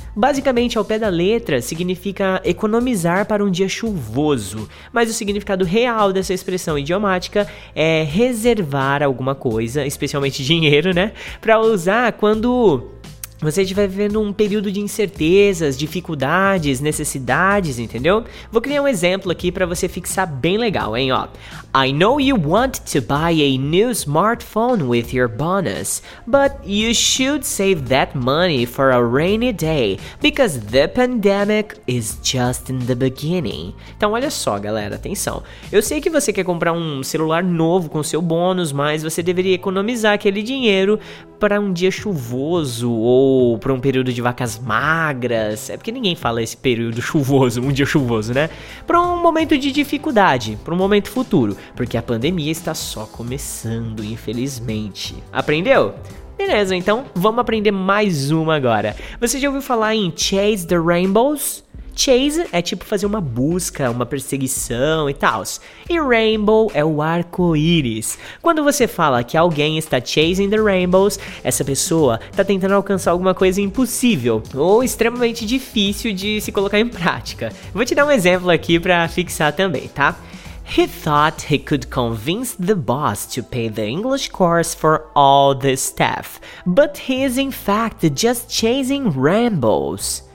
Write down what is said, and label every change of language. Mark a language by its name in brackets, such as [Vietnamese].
[Portuguese] Basicamente, ao pé da letra, significa economizar para um dia chuvoso, mas o significado real dessa expressão idiomática é reservar alguma coisa, especialmente dinheiro, né, para usar quando você estiver vivendo um período de incertezas, dificuldades, necessidades, entendeu? Vou criar um exemplo aqui para você fixar bem legal, hein, ó. [English] I know you want to buy a new smartphone with your bonus, but you should save that money for a rainy day, because the pandemic is just in the beginning. [Portuguese] Então, olha só, galera, atenção. Eu sei que você quer comprar um celular novo com seu bônus, mas você deveria economizar aquele dinheiro para um dia chuvoso ou para um período de vacas magras. É porque ninguém fala esse período chuvoso, um dia chuvoso, né? Para um momento de dificuldade, para um momento futuro. Porque a pandemia está só começando, infelizmente. Aprendeu? Beleza, então vamos aprender mais uma agora. Você já ouviu falar em Chase the Rainbows? Chase é tipo fazer uma busca, uma perseguição e tals. E rainbow é o arco-íris. Quando você fala que alguém está chasing the rainbows, essa pessoa está tentando alcançar alguma coisa impossível ou extremamente difícil de se colocar em prática. Vou te dar um exemplo aqui para fixar também, tá? [English] He thought he could convince the boss to pay the English course for all the staff, but he is in fact just chasing rainbows.